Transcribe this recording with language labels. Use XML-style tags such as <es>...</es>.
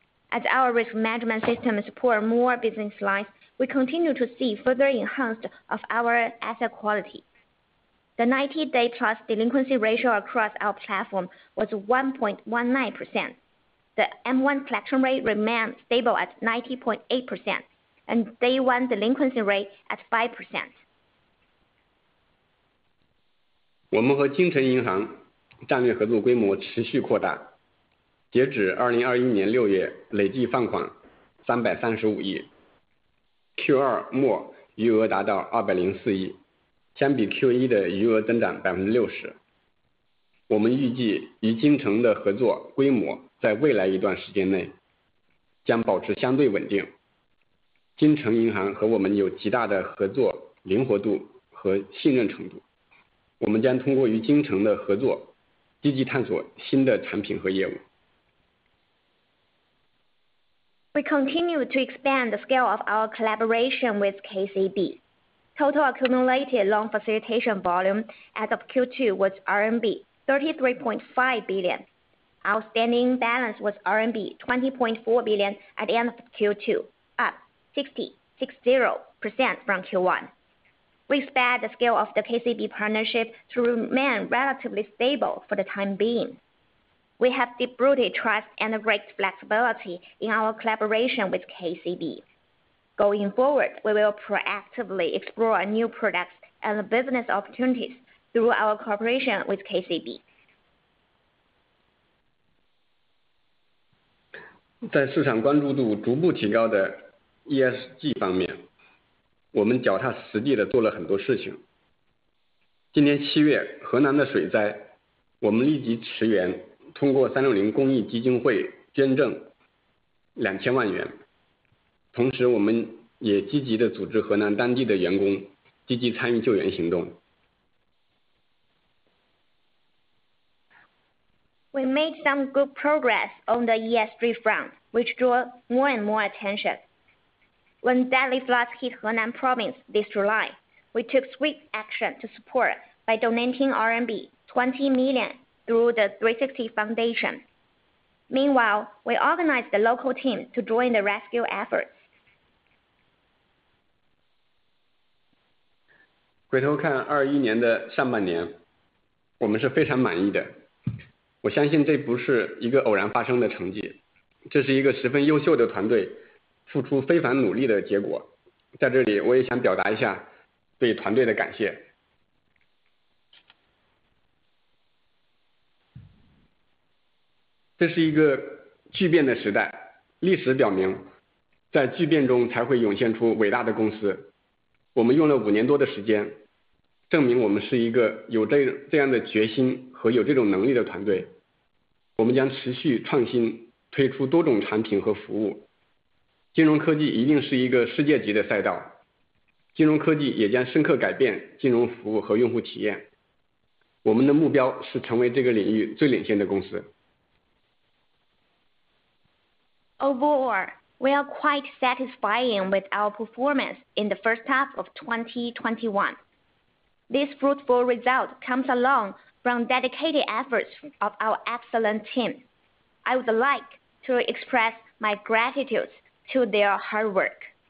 <en>As our risk management system supports more business lines, we continue to see further enhanced of our asset quality. The 90-day plus delinquency ratio across our platform was 1.19%. The M1 collection rate remained stable at 90.8%, and day one delinquency rate at 5%.</en> <zh>我们和京城银行战略合作规模持续扩大，截止2021年6月，累计放款335亿。 Q2 末余额达到204亿，相比 Q1 的余额增长60%。我们预计与京城的合作规模在未来一段时间内将保持相对稳定。京城银行和我们有极大的合作灵活度和信任程度，我们将通过与京城的合作积极探索新的产品和业务。</zh> <en>We continue to expand the scale of our collaboration with KCB. Total accumulated loan facilitation volume as of Q2 was RMB 33.5 billion. Outstanding balance was RMB 20.4 billion at the end of Q2, up 60% from Q1. We expect the scale of the KCB partnership to remain relatively stable for the time being. We have deep-rooted trust and great flexibility in our collaboration with KCB. Going forward, we will proactively explore new products and business opportunities through our cooperation with KCB.</en> <zh>在市场关注度逐步提高的 ESG 方面，我们脚踏实地地做了很多事情。今年七月，河南的水灾，我们立即驰援，通过360公益基金会捐赠2000万元，同时我们也积极地组织河南当地的员工积极参与救援行动。</zh> <en>We made some good progress on the ESG front, which drew more and more attention. When deadly floods hit Henan province this July, we took swift action to support by donating RMB 20 million through the 360 Foundation. Meanwhile, we organized the local team to join the rescue efforts.</en> <zh>回头看21年的上半年，我们是非常满意的。我相信这不是一个偶然发生的成绩，这是一个十分优秀的团队付出非凡努力的结果。在这里，我也想表达一下对团队的感谢。这是一个巨变的时代，历史表明，在巨变中才会涌现出伟大的公司。我们用了5年多的时间，证明我们是一个有这样的决心和有这种能力的团队，我们将持续创新，推出多种产品和服务。金融科技一定是一个世界级的赛道，金融科技也将深刻改变金融服务和用户体验。我们的目标是成为这个领域最领先的公司。</zh> <en>Overall, we are quite satisfied with our performance in the first half of 2021. This fruitful result comes along from dedicated efforts of our excellent team. I would like to express my gratitude to their hard work.</en>